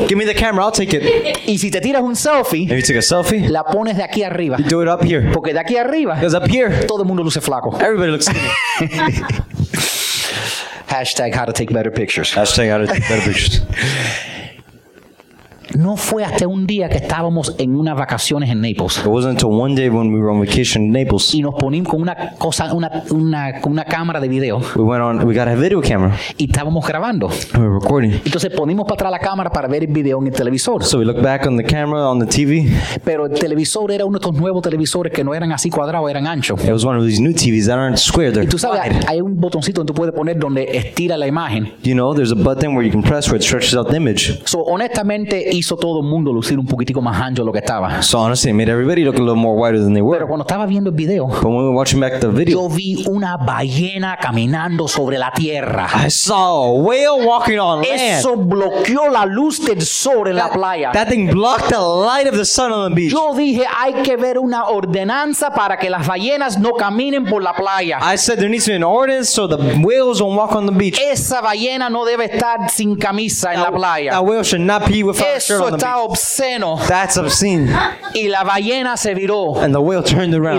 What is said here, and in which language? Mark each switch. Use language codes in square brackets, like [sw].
[en] Give me the camera, I'll take it. [es] Y si te tiras un selfie. [en] If you take a selfie. [es] La pones de aquí arriba. [en] You do it up here. [es] Porque de aquí arriba. [en] Because up here. [es] Todo el mundo luce flaco. [en] Everybody looks skinny. Hashtag how to take better pictures. Hashtag how to take better pictures. [es] No fue hasta un día que estábamos en unas vacaciones en Naples. [en] It wasn't until one day when we were on vacation in Naples. [es] Y nos poníamos con una cámara de video. [en] We got a video camera. [es] Y estábamos grabando. [en] And we were recording. [es] Entonces poníamos para atrás la cámara para ver el video en el televisor. [en] So we looked back on the camera on the TV. [es] Pero el televisor era uno de estos nuevos televisores que no eran así cuadrados, eran anchos. [en] It was one of these new TVs that aren't square. They're [es] y tú sabes, [en] wide. [es] Hay un botoncito que tú puedes poner donde estira la imagen. [en] You know, there's a button where you can press where it stretches out the image. [es] So honestamente, hizo todo el mundo lucir un poquitico más ancho de lo que estaba. [en] So honestly, it made everybody look a little more wider than they were. [es] Pero cuando estaba viendo el video, [en] but when we were watching back the video, [es] yo vi una ballena caminando sobre la tierra. [en] I saw a whale walking on land. [es] Eso bloqueó la luz del sol en la playa. [en] That thing blocked the light of the sun on the beach. [es] Yo dije, hay que ver una ordenanza para que las ballenas no caminen por la playa. [en] I said there needs to be an ordinance so the whales won't walk on the beach. [es] Esa ballena no debe estar sin camisa en la playa. [en] A whale should not pee without [es] eso [en] a shirt on the beach. [es] Obsceno. [en] That's obscene. [es] Y la ballena se viró. [en] And the whale turned around.